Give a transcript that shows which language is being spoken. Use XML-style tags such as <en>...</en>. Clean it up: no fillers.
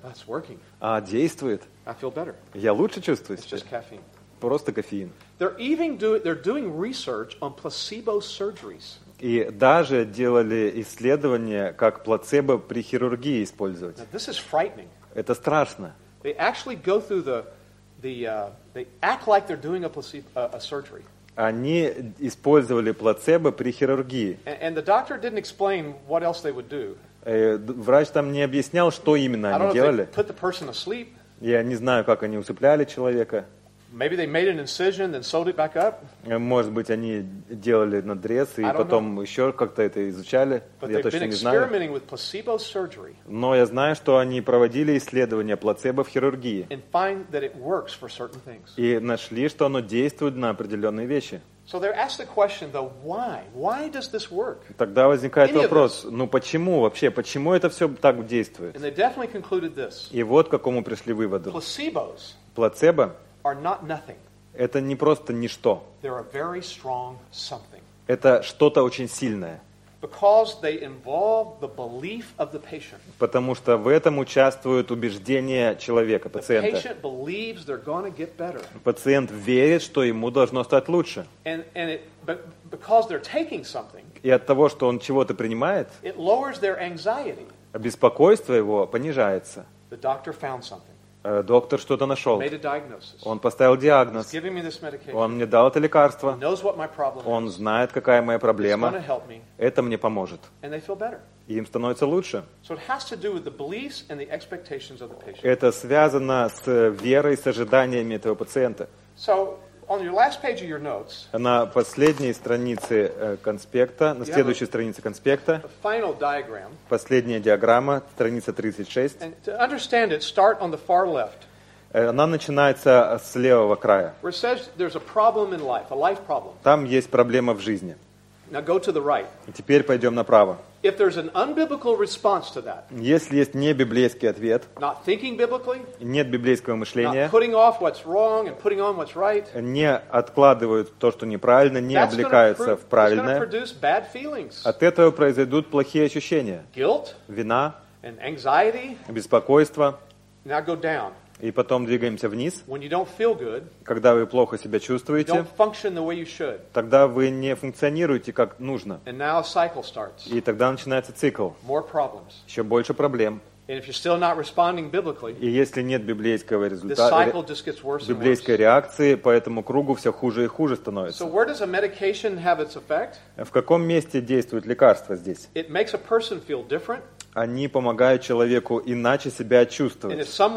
<en>That's working.</en> <ru>А действует.</ru> <en>I feel better.</en> <ru>Я лучше чувствую.</ru> <en>It's just caffeine.</en> <ru>Просто кофеин.</ru> <en>They're doing research on placebo surgeries.</en> <ru>И даже делали исследования, как плацебо при хирургии использовать.</ru> <en>Now, this is frightening.</en> <ru>Это страшно.</ru> <en>They actually go through they act like they're doing a surgery.</en> <ru>Они использовали плацебо при хирургии.</ru> <en>And the doctor didn't explain what else they would do.</en> <ru>Врач там не объяснял, что именно они делали.</ru> <en>I don't know if they put the person asleep.</en> <ru>Я не знаю, как они усыпляли человека.</ru> <en>Maybe they made an incision and sewed it back up.</en> <ru>Может быть, они делали надрез и потом еще как-то это изучали. Я точно не знаю.</ru> <en>Experimenting with placebo surgery.</en> <ru>Но я знаю, что они проводили исследования плацебо в хирургии.</ru> <en>And find that it works for certain things.</en> <ru>И нашли, что оно действует на определенные вещи.</ru> <en>So they're asked the question, though, why? Why does this work?</en> <ru>Тогда возникает вопрос, ну почему вообще, почему это все так действует?</ru> <en>And they definitely concluded this.</en> <ru>И вот к какому пришли выводу.</ru> <en>Placebos.</en> <ru>Плацебо.</ru> <en>Are not nothing.</en> <ru>Это не просто ничто.</ru> <en>They're a very strong something.</en> <ru>Это что-то очень сильное.</ru> <en>Because they involve the belief of the patient.</en> <ru>Потому что в этом участвуют убеждения человека, пациента.</ru> <en>The patient believes they're going to get better.</en> <ru>Пациент верит, что ему должно стать лучше.</ru> <en>Because they're taking something.</en> <ru>И от того, что он чего-то принимает.</ru> <en>It lowers their anxiety.</en> <ru>Беспокойство его понижается.</ru> <en>The doctor found something.</en> <ru>Доктор что-то нашел.</ru> <en>Made a diagnosis.</en> <ru>Он поставил диагноз.</ru> <en>He's giving me this medication.</en> <ru>Он мне дал это лекарство.</ru> <en>He knows what my problem is.</en> <ru>Он знает, какая моя проблема.</ru> <en>He's gonna help me.</en> <ru>Это мне поможет.</ru> <en>And they feel better.</en> <ru>И им становится лучше.</ru> <en>So it has to do with the beliefs and the expectations of the patient.</en> <ru>Это связано с верой, с ожиданиями этого пациента.</ru> <en>So on your last page of your notes.</en> <ru>На последней странице конспекта, на следующей странице конспекта.</ru> <en>The final diagram.</en> <ru>Последняя диаграмма, страница 36.</ru> <en>And to understand it, start on the far left.</en> <ru>Она начинается с левого края.</ru> <en>Where it says there's a problem in life, a life problem.</en> <ru>Там есть проблема в жизни.</ru> <en>Now go to the right.</en> <ru>Теперь пойдем направо.</ru> <en>If there's an unbiblical response to that,</en> <ru>если есть небиблейский ответ,</ru> <en>not thinking biblically,</en> <ru>нет библейского мышления,</ru> <en>not putting off what's wrong and putting on what's right,</en> <ru>не откладывают то, что неправильно, не облекаются в правильное,</ru> <en>it's gonna produce bad feelings.</en> <ru>От этого произойдут плохие ощущения,</ru> <en>guilt,</en> <ru>вина,</ru> <en>and anxiety,</en> <ru>беспокойство.</ru> <en>Now go down.</en> <ru>И потом двигаемся вниз.</ru> <en>When you don't feel good,</en> <ru>когда вы плохо себя чувствуете,</ru> <en>you don't function the way you should.</en> <ru>Тогда вы не функционируете как нужно.</ru> <en>And now a cycle starts.</en> <ru>И тогда начинается цикл.</ru> <en>More problems.</en> <ru>Еще больше проблем.</ru> <en>And if you're still not responding biblically,</en> <ru>и если нет библейского результата,</ru> <en>this cycle just gets worse and worse.</en> <ru>Библейской реакции по этому кругу все хуже и хуже становится.</ru> <en>So where does a medication have its effect?</en> <ru>В каком месте действует лекарство здесь?</ru> <en>It makes a person feel different.</en> <ru>Они помогают человеку иначе себя чувствовать.</ru>